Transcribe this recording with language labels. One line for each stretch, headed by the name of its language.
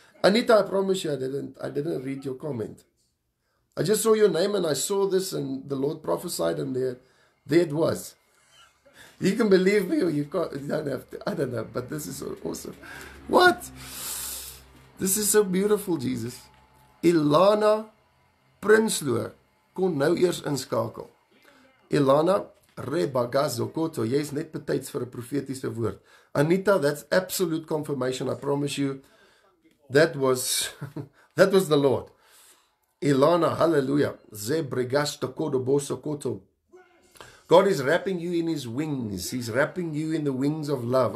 English: Anita, I promise you, I didn't read your comment. I just saw your name, and I saw this, and the Lord prophesied, and there it was. You can believe me, or you don't have to. I don't know, but this is awesome. What? This is so beautiful, Jesus.
Afrikaans: Ilana Prinsloo kon nou eers inskakel. Ilana Rebagazo Koto, jy is net betyds vir 'n profetiese woord.
English: Anita, that's absolute confirmation, I promise you. That was the Lord. Ilana, hallelujah. Zebregasto Kodo Boso Koto. God is wrapping you in his wings. He's wrapping you in the wings of love.